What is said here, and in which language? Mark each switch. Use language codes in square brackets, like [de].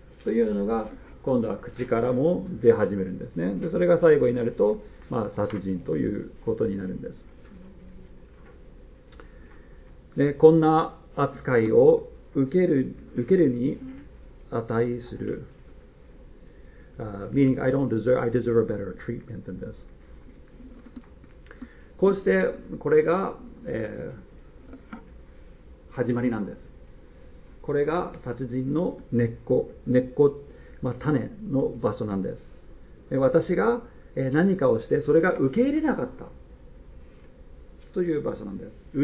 [ja] というのが、今度は口からも出始めるんですね。で、それが最後になると、まあ、殺人ということになるんです。で、こんな扱いを受けるに値する。 [en] Meaning, I deserve a better treatment than this. [ja] こうして、これが、始まりなんです。これが殺人の根っこ、まあ、種の場所なんです。私が何かをして、それが受け入れなかったという場所なんです。